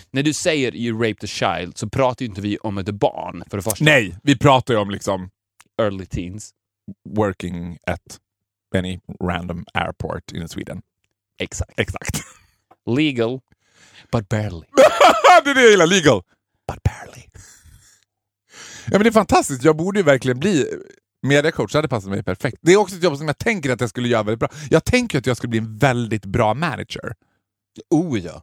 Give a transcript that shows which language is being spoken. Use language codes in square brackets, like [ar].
[sv] När du säger [en] you raped a child [sv] så pratar ju inte vi om ett barn för det första. Nej, vi pratar ju om liksom... [en] Early teens. Working at any random airport in Sweden. [sv] Exakt. [en] Legal, but barely. [sv] Det är det jag gillar, legal. [en] But barely. [sv] Ja, men det är fantastiskt. Jag borde ju verkligen bli mediacoach. Det hade passat mig perfekt. Det är också ett jobb som jag tänker att jag skulle göra väldigt bra. Jag tänker att jag skulle bli en väldigt bra manager. Oh ja.